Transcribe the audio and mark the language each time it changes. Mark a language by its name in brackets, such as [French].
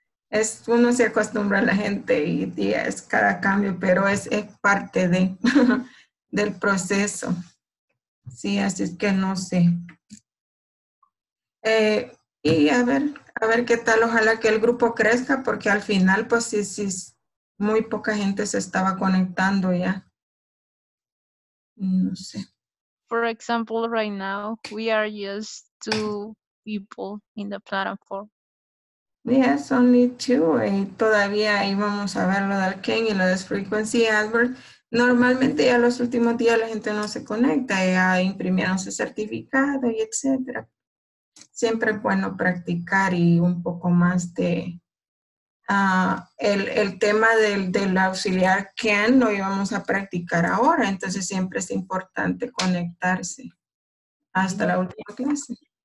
[Spanish] Es, uno se acostumbra a la gente y es cada cambio, pero es parte de, del proceso. Sí, así es que no sé. Y a ver qué tal, ojalá que el grupo crezca, porque al final, pues sí, sí, muy poca gente se estaba conectando ya. No sé. [English] For example, right now, we are just 2 people in the platform. Yes, only 2, [Spanish] y todavía ahí vamos a ver lo del Ken y lo de Frequency Advert. Normalmente ya los últimos días la gente no se conecta, ya imprimieron su certificado y etcétera. Siempre bueno practicar y un poco más de el tema del auxiliar can lo íbamos a practicar ahora, entonces siempre es importante conectarse hasta la última clase.